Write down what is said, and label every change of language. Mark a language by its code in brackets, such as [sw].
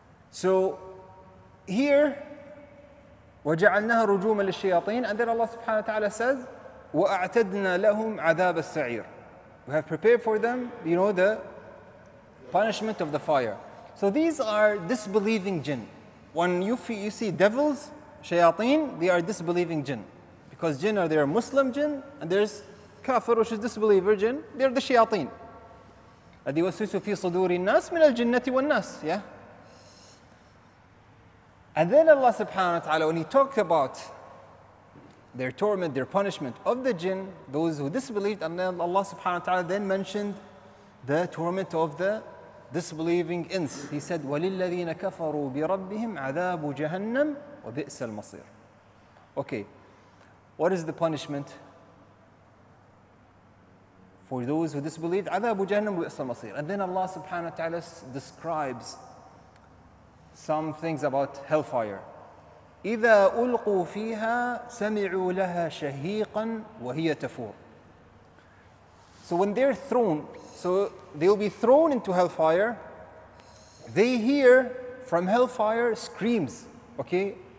[en] So here, [ar] وَجَعَلْنَاهَا رُجُومًا لِلشَّيَاطِينَ. [en] And then Allah subhanahu wa ta'ala says, [ar] وَأَعْتَدْنَا لَهُمْ عَذَابَ السَّعِيرِ. [en] We have prepared for them, the punishment of the fire. So these are disbelieving jinn. When you see devils, shayateen, they are disbelieving jinn. Because jinn are there Muslim jinn, and there's kafir, which is disbeliever jinn. They're the shayateen. [ar] أَذِي وَسْوِسُ فِي صُدُورِ النَّاسِ مِنَ الْجِنَّةِ وَالنَّاسِ. [en] Yeah? And then Allah subhanahu wa ta'ala, when He talked about their torment, their punishment of the jinn, those who disbelieved, and then Allah subhanahu wa ta'ala then mentioned the torment of the disbelieving ins. He said, [ar] وَلِلَّذِينَ كَفَرُوا بِرَبِّهِمْ عَذَابُ جَهَنَّمْ وَبِئْسَ الْمَصِيرُ. [en] Okay, what is the punishment for those who disbelieved? [ar] عَذَابُ جَهَنَّمْ وَبِئْسَ الْمَصِيرُ. [en] And then Allah subhanahu wa ta'ala describes some things about hellfire. [ar] إِذَا أُلْقُوا فِيهَا سَمِعُوا لَهَا شَهِيقًا وَهِيَ تَفُورٌ. [en] So when they're thrown, so they'll be thrown into hellfire, they hear from hellfire screams, okay?